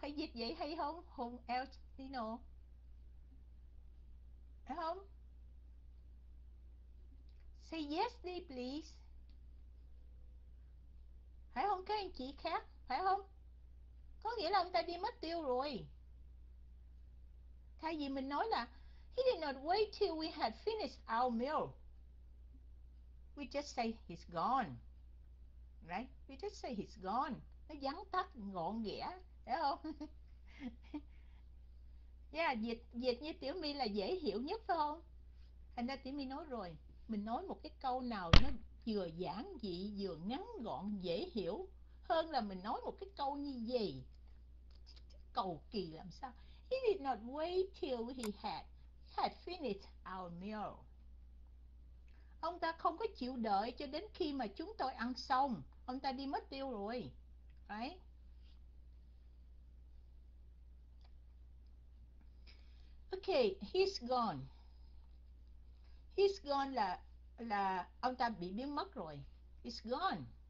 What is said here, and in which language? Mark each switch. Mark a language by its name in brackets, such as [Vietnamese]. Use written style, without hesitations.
[Vietnamese] Phải dịch vậy hay không? Hùng El Nino. Phải không? [English] Say yes [Vietnamese] đi [English] please. [Vietnamese] Phải không các anh chị khác? Phải không? Có nghĩa là ông ta đi mất tiêu rồi. Thay vì mình nói là [English] he did not wait till we had finished our meal, we just say he's gone. Right? We just say he's gone. [Vietnamese] Nó vắn tắt, gọn ghẽ. Phải không? Yeah, dịch, dịch như Tiểu My là dễ hiểu nhất phải không? Thành ra Tiểu My nói rồi. Mình nói một cái câu nào nó vừa giản dị, vừa ngắn gọn, dễ hiểu hơn là mình nói một cái câu như gì cầu kỳ làm sao. [English] He did not wait till he had finished our meal. [Vietnamese] Ông ta không có chịu đợi cho đến khi mà chúng tôi ăn xong, ông ta đi mất tiêu rồi. Đấy. [English] Okay, he's gone. He's gone [Vietnamese] là ông ta bị biến mất rồi. [English] He's gone.